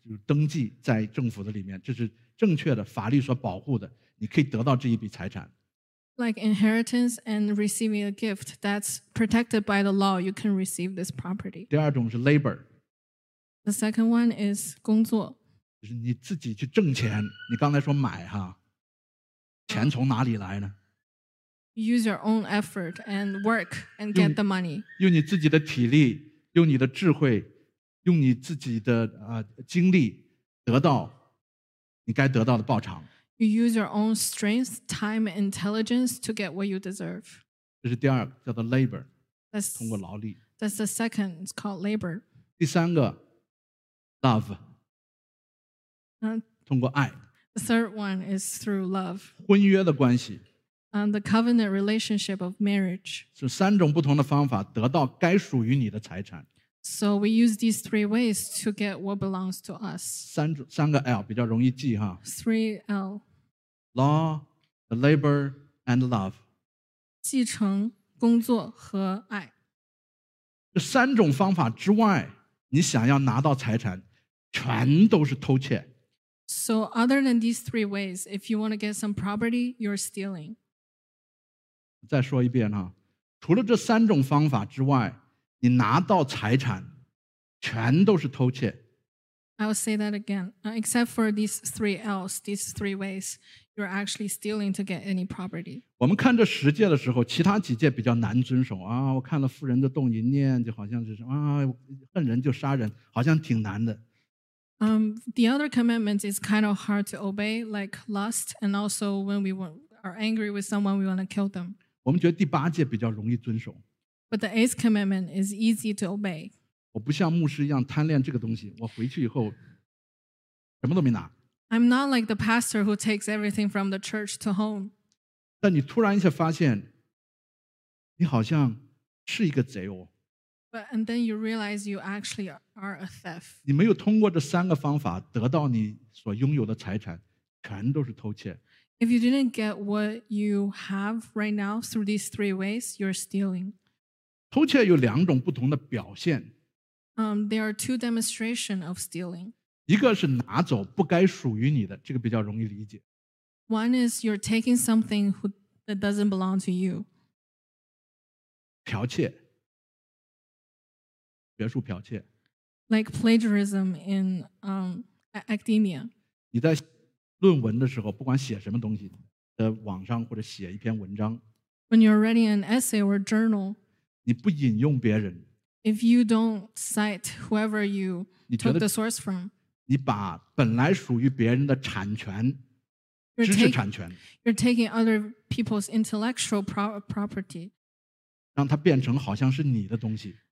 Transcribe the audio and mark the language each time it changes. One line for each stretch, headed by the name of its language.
Chinese: 登记在政府的里面，这是正确的法律所保护的，你可以得到这一笔财产。
English: Like inheritance and receiving a gift that's protected by the law, you can receive this property.
Chinese: 第二种是 labor.
English: The second one is 工作。
Chinese: 就是你自己去挣钱，你刚才说买哈，钱从哪里来呢？
English: Use your own effort and work and get the money.
Chinese: 用你自己的体力，用你的智慧，用你自己的精力得到你该得到的报偿。
English: You use your own strength, time, and intelligence to get what you deserve.
Chinese: 这是第二个，叫做 labor. 通过劳力。
English: That's the second. It's called labor.
Chinese: 第三个 love. 通过爱。
English: The third one is through love.
Chinese: 婚约的关系。
English: The covenant relationship of marriage.
Chinese: 是三种不同的方法得到该属于你的财产。
English: So we use these three ways to get what belongs to us.
Chinese: 三个 L 比较容易记哈。
English: Three L. Law, the labor, and love.
Chinese: 继承、工作和爱。这三种方法之外，你想要拿到财产，全都是偷窃。
English: So other than these three ways, if you want to get some property, you're stealing.
Chinese: 再说一遍哈，除了这三种方法之外，你拿到财产全都是偷窃。
English: I will say that again. Except for these three L's, these three ways, you're actually stealing to get any property.
Chinese: 我们看这十诫的时候，其他几诫比较难遵守啊。我看了妇人的动淫念，就好像是啊，恨人就杀人，好像挺难的。
English: The other commandments is kind of hard to obey, like lust, and also when we are angry with someone, we want to kill them.
Chinese: 我们觉得第八诫比较容易遵守。
English: But the eighth commandment is easy to obey.
Chinese: 我不像牧师一样贪恋这个东西，我回去以后什么都没拿。
English: I'm not like the pastor who takes everything from the church to home.
Chinese: 但你突然一下发现，你好像是一个贼哦。
English: But and then you realize you actually are a thief.
Chinese: 你没有通过这三个方法得到你所拥有的财产，全都是偷窃。
English: If you didn't get what you have right now through these three ways, you're stealing.
Chinese: 偷窃有两种不同的表现。
English: There are two demonstrations of stealing.
Chinese: 一个是拿走不该属于你的，这个比较容易理解。
English: One is you're taking something that doesn't belong to you.
Chinese: 剽窃，学术剽窃。
English: Like plagiarism in academia.
Chinese: 你在论文的时候，不管写什么东西，在网上或者写一篇文章。
English: When you're writing an essay or journal.
Chinese: 你不引用别人。
English: If you don't cite whoever you took the source from,
Chinese: 你把本来属于别人的产权，知识产权。
English: You're taking other people's intellectual property.
Chinese: 让它变成好像是你的东西。